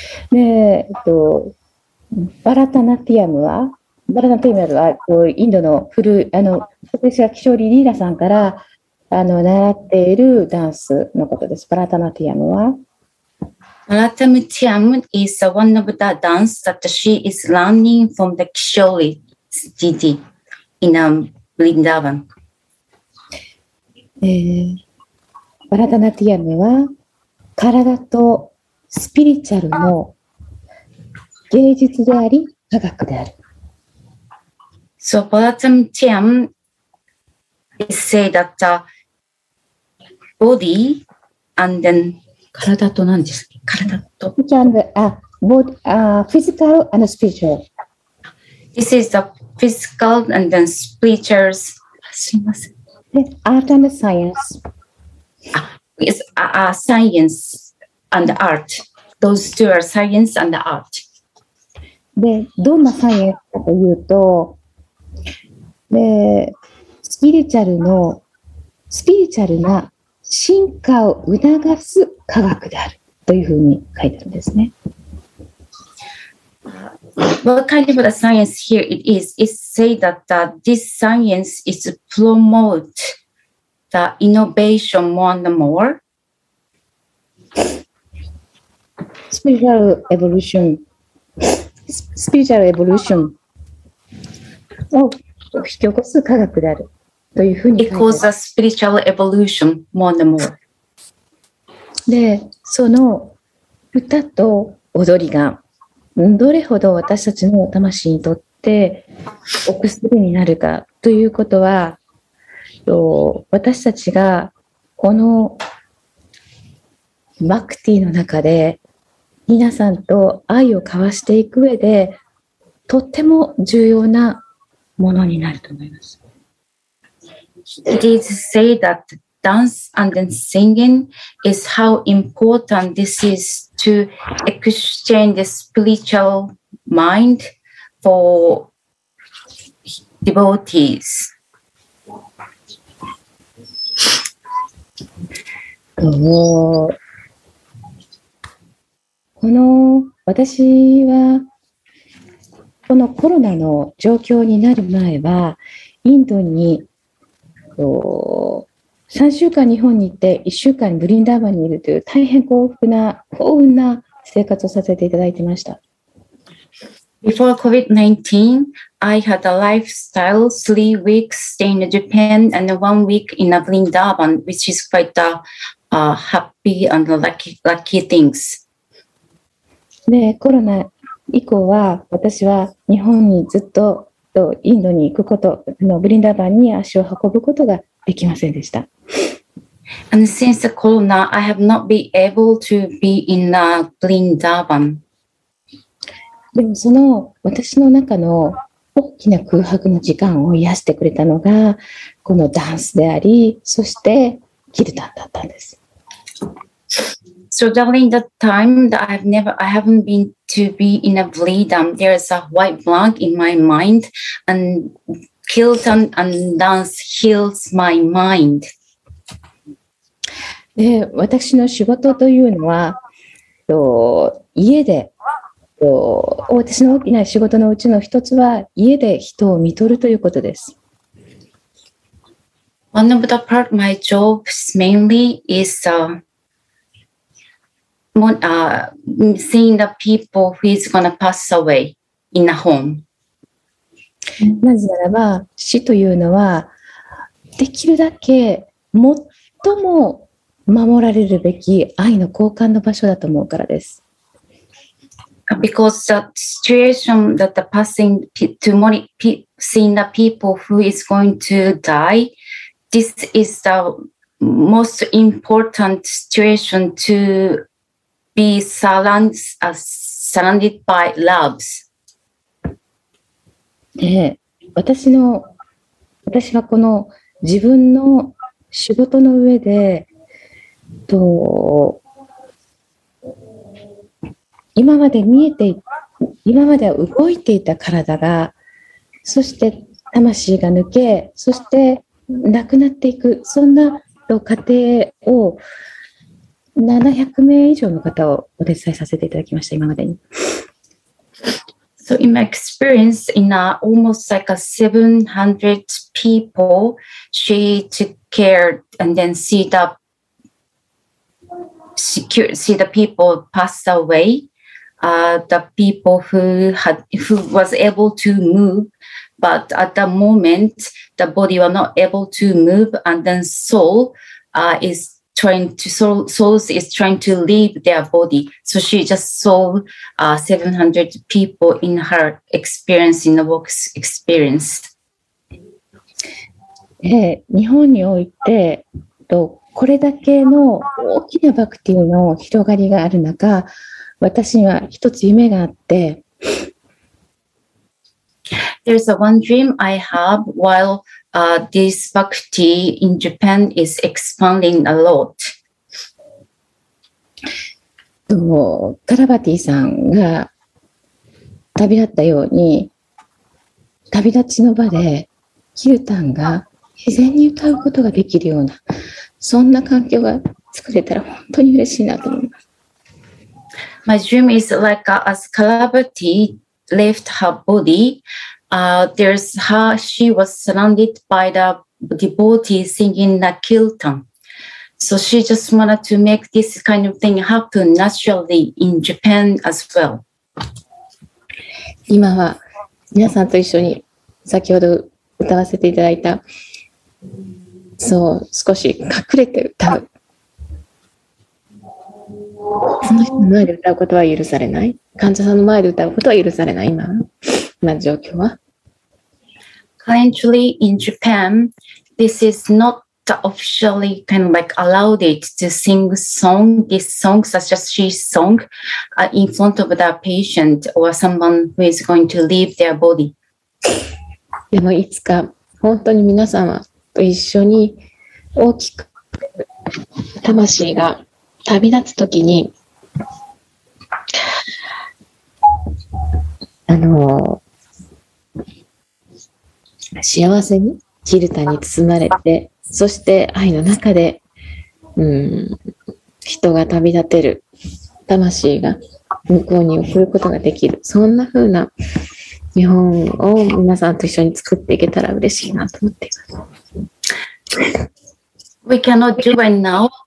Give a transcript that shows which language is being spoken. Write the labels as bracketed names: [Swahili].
[Japanese] で、Bharata Natiyam は、バラナティムはインドの古い、私はキショーリ・リーダさんから習っているダンスのことです。バラタナティアムは。 [English] バラタナティアム is one of the dance that she is learning from the Kishori GD in Vrindavan. [Japanese] バラタナティアムは体とスピリチュアルの芸術であり科学である。 [English] So Bharata Natyam is say that the body and then [Japanese] 体と何ですか体と [English] physical and spiritual. This is the physical and then spiritual. [Japanese] すみません。 [English] The art and science. Yes, science and art. Those two are science and art. [Japanese] で、どんなサイエンスかというと、でスピリチュアルのスピリチュアルな進化を促す科学であるというふうに書いてあるんですね。 [English] What kind of the science here it is? It say that this science is promote the innovation more and more. Spiritual evolution. Spiritual evolution. [Japanese] を引き起こす科学であるというふうに [English] It causes a spiritual evolution more and more. [Japanese] で、その歌と踊りがどれほど私たちの魂にとってお薬になるかということは、私たちがこのバクティの中で皆さんと愛を交わしていく上でとっても重要なものになると思います。 [English] It is said that dance and then singing is how important this is to exchange the spiritual mind for devotees. [Japanese] この私はこのコロナの状況になる前は、インドに3週間日本に行って1週間ブリンダーバンにいるという大変幸福な幸運な生活をさせていただいてました。 [English] Before COVID-19, I had a lifestyle 3 weeks staying in Japan and 1 week in a Vrindavan, which is quite a happy and lucky things. [Japanese] で、コロナ以降は私は日本にずっとインドに行くこと、ブリンダバンに足を運ぶことができませんでした。 [English] And since the corona, I have not been able to be in a Vrindavan. [Japanese] でもその私の中の大きな空白の時間を癒してくれたのが、このダンスであり、そしてキルタンだったんです。 [English] So during the time that I haven't been to be in a Vrindavan, there is a white blank in my mind, and kirtan and dance heals my mind. [Japanese] で、私の仕事というのは、家で、私の大きな仕事のうちの一つは、家で人を看取るということです。 [English] One of the part my job mainly is seeing the people who is going to pass away in the home. [Japanese] なぜならば死というのはできるだけ最も守られるべき愛の交換の場所だと思うからです。 [English] Because that situation that the passing to mourning, seeing the people who is going to die, this is the most important situation to be surrounded by loves. [Japanese] で、私はこの自分の仕事の上で、今まで動いていた体が、そして魂が抜け、そして亡くなっていく、そんな過程を700名以上の方をお手伝いさせていただきました、今までに。 [English] So in my experience, in a, almost like a 700 people, she took care and then see the people pass away. The people who was able to move, but at the moment the body was not able to move, and then soul is trying to leave their body. So she just saw 700 people in her experience, in the work's experience. [Japanese] 日本においてこれだけの大きなバクティの広がりがある中、私には一つ夢があって。 [English] There's a one dream I have while this bhakti in Japan is expanding a lot. [Japanese] カラバティさんが旅立ったように、旅立ちの場でキルタンが自然に歌うことができるような、そんな環境が作れたら本当に嬉しいなと思います。 [English] My dream is like as Kalabati left her body, she was surrounded by the devotee singing the kirtan. So she just wanted to make this kind of thing happen naturally in Japan as well. [Japanese] 今は皆さんと一緒に先ほど歌わせていただいた、そう、少し隠れて歌う。その人の前で歌うことは許されない。患者さんの前で歌うことは許されない。今の状況は。 [English] Currently in Japan, this is not officially kind of like allowed it to sing song. This song, such as she sung, in front of the patient or someone who is going to leave their body. [Japanese] でもいつか本当に皆様と一緒に大きく魂が旅立つときに、幸せにキルタに包まれて、そして愛の中で、人が旅立てる、魂が向こうに送ることができる、そんな風な日本を皆さんと一緒に作っていけたら嬉しいなと思っています。 [English] We cannot do it now.